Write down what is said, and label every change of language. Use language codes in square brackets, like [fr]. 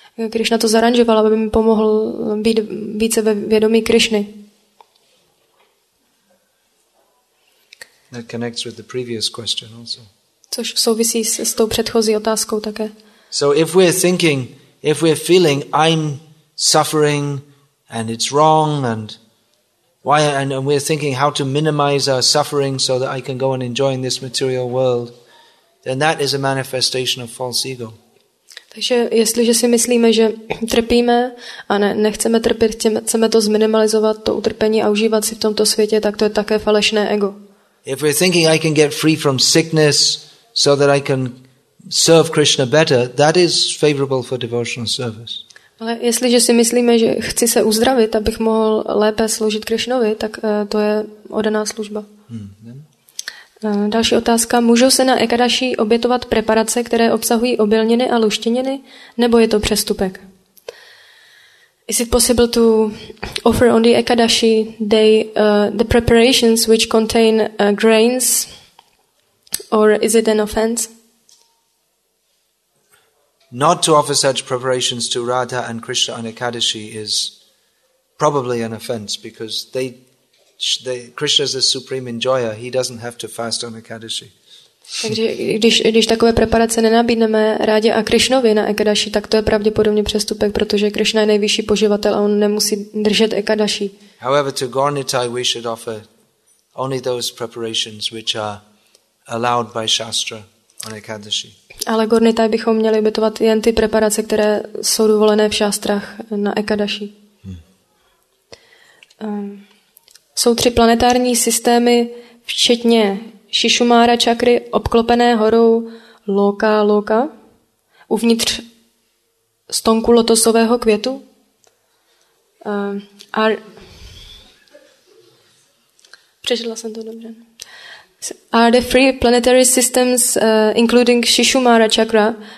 [cs] Krishna to zaranžoval, aby mi pomohl být více ve vědomí Krishny. [en] That connects with the previous question also. [cs] Což souvisí s tou předchozí otázkou také. [en] So if we're thinking, if we're feeling I'm suffering and it's wrong and why and we're thinking how to minimize our suffering so that I can go on enjoying this material world, then that is a manifestation of false ego. [cs] Takže jestliže si myslíme, že trpíme a nechceme trpět, chceme to zminimalizovat to utrpení a užívat si v tomto světě, tak to je také falešné ego. [en] If we're thinking I can get free from sickness so that I can serve Krishna better, that is favorable for devotional service. [cs] Ale jestliže si myslíme, že chci se uzdravit, abych mohl lépe sloužit Krishnovi, tak to je oddaná služba. Další otázka. Můžou se na Ekadaši obětovat preparace, které obsahují obilniny a luštěniny, nebo je to přestupek? [en] Is it possible to offer on the Ekadashi day the preparations which contain grains, or is it an offense? Not to offer such preparations to Radha and Krishna on Ekadashi is probably an offense because Krishna is the supreme enjoyer. He doesn't have to fast on Ekadashi. [cs] Takže když takové preparace nenabídneme Rádě a Krišnovi na Ekadaši, tak to je pravděpodobně přestupek, protože Krišna je nejvyšší poživatel a on nemusí držet Ekadaši. [en] However, to Gaur Nithai we should offer only those preparations which are allowed by Shastra on Ekadaši. [cs] Ale Gaur Nithai bychom měli obětovat jen ty preparace, které jsou dovolené v Šástrach na Ekadaši. Jsou tři planetární systémy, včetně Šišumára čakry obklopené horou Loka, uvnitř stonku lotosového květu. [en] Are the three planetary systems including Šišumára čakra